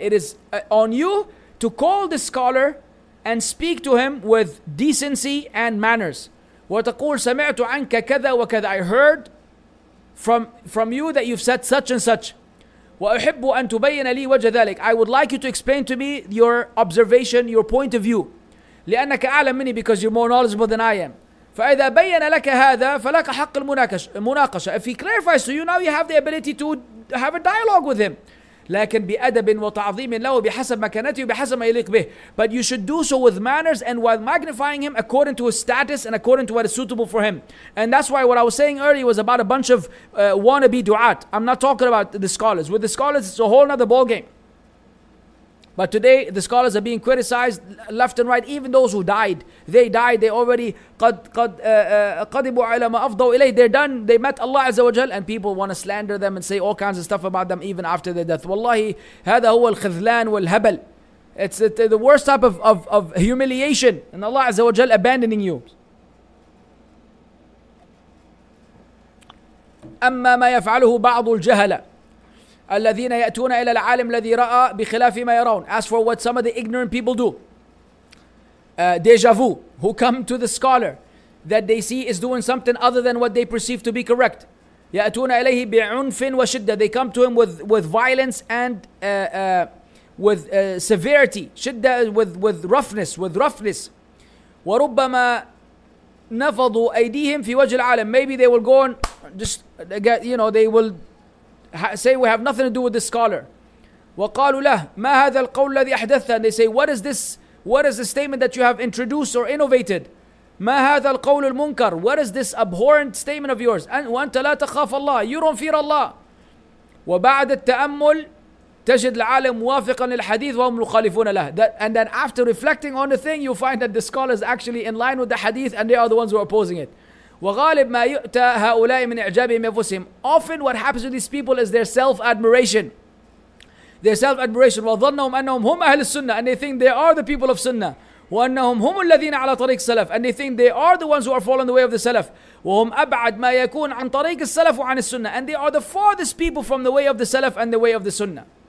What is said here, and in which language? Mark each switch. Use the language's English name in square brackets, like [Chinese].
[English] It is on you to call the scholar and speak to him with decency and manners. [Arabic] وتقول سمعت عنك كذا وكذا. [English] I heard from you that you've said such and such. [Arabic] وأحب أن تبين لي وجه ذلك. [English] I would like you to explain to me your observation, your point of view. [Arabic] لأنك أعلم مني, [English] because you're more knowledgeable than I am. [Arabic] فإذا بين لك هذا فلك حق المناقشة. [English] If he clarifies to you, now you have the ability to have a dialogue with him. [Arabic] لكن بأدب وتعظيم له بحسب مكانته وبحسب ما يليق به. [English] But you should do so with manners and while magnifying him according to his status and according to what is suitable for him. And that's why what I was saying earlier was about a bunch of wannabe du'at. I'm not talking about the scholars. With the scholars, it's a whole other ballgame. But today, the scholars are being criticized left and right. Even those who died, they died. They already [Arabic] قدموا على ما أفضوا إليه. [English] They're done. They met Allah Azza wa Jal, and people want to slander them and say all kinds of stuff about them even after their death. [Arabic] Wallahi, هذا هو الخذلان والهبل. [English] It's the worst type of humiliation, and Allah Azza wa Jal abandoning you. [Arabic] أما ما يفعله بعض الجهلة الذين يأتون إلى العالم الذي رأى بخلاف ما يرون. [English] As for what some of the ignorant people do, deja vu, who come to the scholar that they see is doing something other than what they perceive to be correct. [Arabic] يأتون إليه بعنف وشدة. [English] They come to him with violence and with severity, شدة with roughness, with roughness. [Arabic] وربما نفضوا أيديهم في وجه العالم. [English] Maybe they will go on, just get, you know, they will say we have nothing to do with this scholar. [Arabic] وقالوا له ما هذا القول الذي أحدثته. [English] And they say, what is the statement that you have introduced or innovated? [Arabic] ما هذا القول المنكر. [English] What is this abhorrent statement of yours? [Arabic] وأنت لا تخاف الله. [English] You don't fear Allah. [Arabic] وبعد التأمل تجد العالم موافقا للحديث وهم مخالفون له. [English] And then after reflecting on the thing, you find that the scholar is actually in line with the hadith and they are the ones who are opposing it. [Arabic] وغالب ما يؤتى هؤلاء من إعجابهم أنفسهم. [English] Often what happens to these people is their self-admiration. [Arabic] وظنهم أنهم هم أهل السنة, [English] and they think they are the people of sunnah. [Arabic] وأنهم هم الذين على طريق السلف, [English] and they think they are the ones who are following the way of the salaf. [Arabic] وهم أبعد ما يكون عن طريق السلف وعن السنة, [English] and they are the farthest people from the way of the salaf and the way of the sunnah.